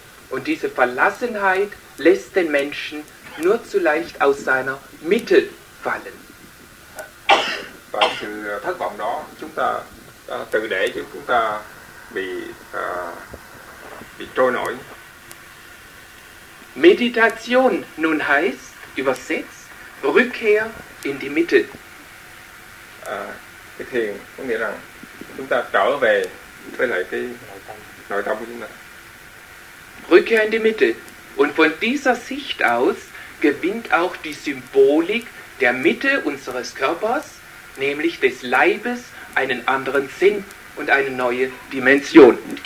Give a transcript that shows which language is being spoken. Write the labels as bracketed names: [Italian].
[German] Und diese Verlassenheit lässt den Menschen nur zu leicht aus seiner Mitte fallen. [Vietnamese] Và sự thất vọng đó, chúng ta tự để cho chúng ta bị trôi nổi. [German] Meditation nun heißt, übersetzt, Rückkehr in die Mitte. [Vietnamese] Cái thiền có nghĩa rằng chúng ta trở về với lại cái nội tâm của chúng ta. [German] Rückkehr in die Mitte. Und von dieser Sicht aus gewinnt auch die Symbolik der Mitte unseres Körpers, nämlich des Leibes, einen anderen Sinn und eine neue Dimension.